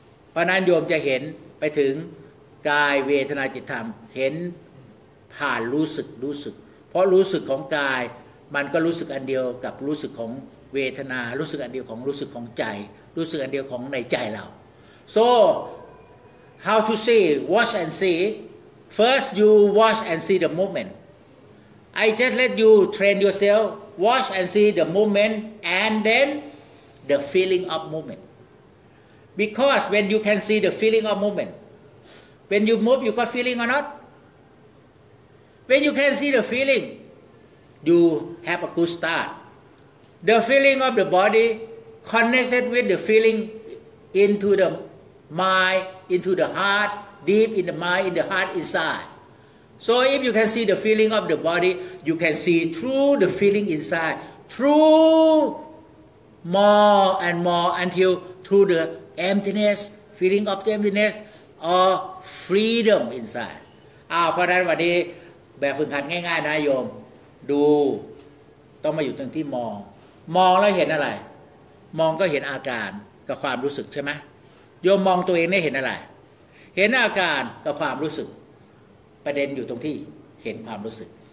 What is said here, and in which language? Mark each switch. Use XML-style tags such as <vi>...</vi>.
<th>เพราะนั้นโยมจะเห็นไปถึงกายเวทนาจิตธรรมเห็นผ่านรู้สึกเพราะรู้สึกของกายมันก็รู้สึกอันเดียวกับรู้สึกของเวทนารู้สึกอันเดียวของรู้สึกของใจรู้สึกอันเดียวของในใจเรา</th> <en>so how to see watch and see first you watch and see the movement I just let you train yourselfWatch and see the movement and then the feeling of movement. Because when you can see the feeling of movement, when you move, you got feeling or not? When you can see the feeling, you have a good start. The feeling of the body connected with the feeling into the mind, into the heart, deep in the mind, in the heart inside. So if you can see the feeling of the body, you can see through the feeling inside, through more and more until through the emptiness, feeling of the emptiness, or freedom inside.</en> <th>เพราะฉะนั้นวันนี้แบบฝึกหัดง่ายๆนะโยมดูต้องมาอยู่ตรงที่มองแล้วเห็นอะไรมองก็เห็นอาการกับความรู้สึกใช่ไหมโยมมองตัวเองได้เห็นอะไรเห็นอาการกับความรู้สึกประเด็นอยู่ตรงที่เห็นความรู้สึก</th>